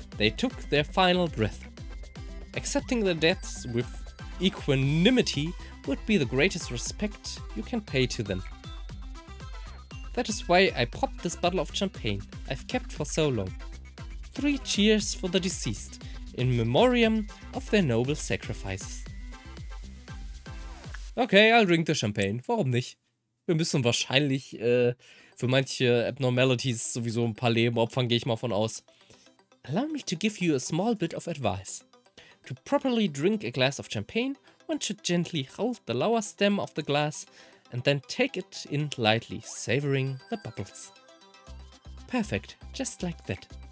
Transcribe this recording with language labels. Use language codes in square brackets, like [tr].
[en] They took their final breath. Accepting their deaths with equanimity would be the greatest respect you can pay to them. That is why I popped this bottle of champagne I've kept for so long. Three cheers for the deceased, in memoriam of their noble sacrifices. Okay, I'll drink the champagne. [de] Warum nicht? Wir müssen wahrscheinlich für manche Abnormalities sowieso ein paar Leben opfern, gehe ich mal von aus. [en] Allow me to give you a small bit of advice. To properly drink a glass of champagne, one should gently hold the lower stem of the glass and then take it in lightly, savoring the bubbles. Perfect, just like that.